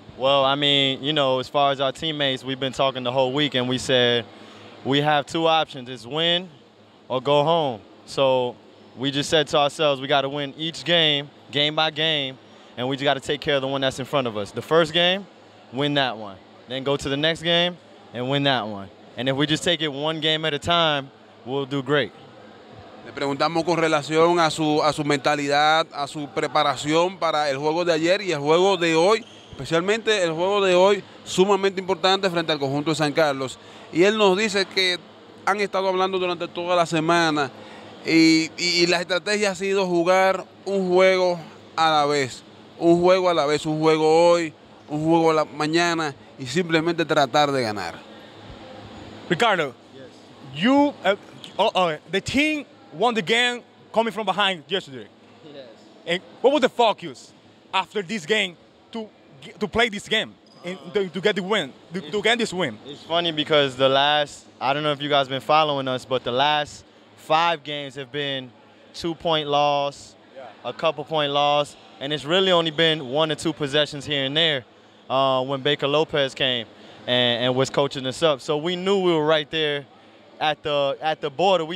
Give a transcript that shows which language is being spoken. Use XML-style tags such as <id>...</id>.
<en>Well, I mean, you know, as far as our teammates, we've been talking the whole week, and we said we have two options. It's win or go home. So we just said to ourselves, we got to win each game, game by game, and we just got to take care of the one that's in front of us. The first game, win that one. Then go to the next game and win that one. And if we just take it one game at a time, we'll do great.</en> <es>Le preguntamos con relación a su mentalidad, a su preparación para el juego de ayer y el juego de hoy, especialmente el juego de hoy, sumamente importante frente al conjunto de San Carlos. Y él nos dice que han estado hablando durante toda la semana y la estrategia ha sido jugar un juego a la vez. Un juego a la vez, un juego hoy, un juego a la mañana, y simplemente tratar de ganar.</es> <en>Ricardo, yes. You, the team won the game coming from behind yesterday. Yes. And what was the focus after this game to play this game and to get the win, to get this win? It's funny because the last, I don't know if you guys have been following us, but the last five games have been two-point loss, yeah, a couple-point loss, and it's really only been one or two possessions here and there when Baker Lopez came and was coaching us up. So we knew we were right there at the border.</en>